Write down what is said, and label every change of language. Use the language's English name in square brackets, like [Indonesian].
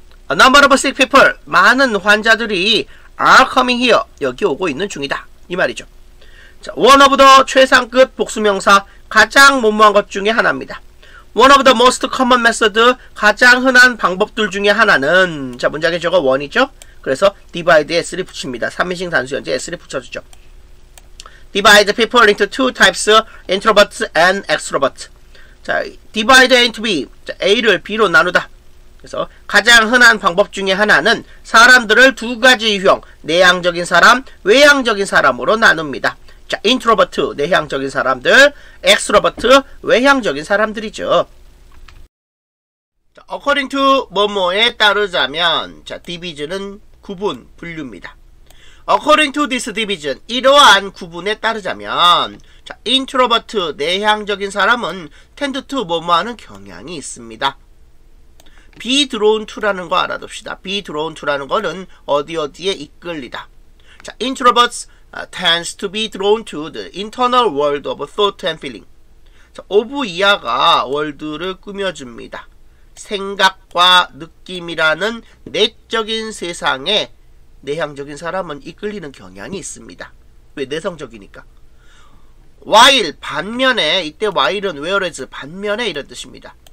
[English] A number of sick people, [Korean] 많은 환자들이 [English] are coming here, [Korean] 여기 오고 있는 중이다. 이 말이죠. 자, [English] one of the [Korean] 최상급 복수명사, 가장 무모한 것 중에 하나입니다. [English] One of the most common method, [Korean] 가장 흔한 방법들 중에 하나는, 자, 문장의 주어가 one이죠? 그래서 divide에 s를 붙입니다. 3인칭 단수형제 s를 붙여주죠. [English] Divide people into two types, introverts and extroverts. [Korean] 자, divide into b, a를 b로 나누다. 그래서 가장 흔한 방법 중에 하나는 사람들을 두 가지 유형, 내향적인 사람, 외향적인 사람으로 나눕니다. 자, 인트로버트, 내향적인 사람들, 엑스트로버트, 외향적인 사람들이죠. [English] According to [Korean] 뭐뭐에 따르자면, 자, division은 구분, 분류입니다. [English] According to this division, [Korean] 이러한 구분에 따르자면, 자, 인트로버트, 내향적인 사람은 tend to 뭐뭐하는 경향이 있습니다. [English] be drawn to [Korean] 라는 거 알아둡시다. be drawn to라는 거는 어디 어디에 이끌리다. [English] 자, introverts tends to be drawn to the internal world of thought and feeling. [Korean] 자, of 이하가 월드를 꾸며줍니다. 생각과 느낌이라는 내적인 세상에 내향적인 사람은 이끌리는 경향이 있습니다. 왜? 내성적이니까. while 반면에, 이때 while은 whereas 반면에 이런 뜻입니다.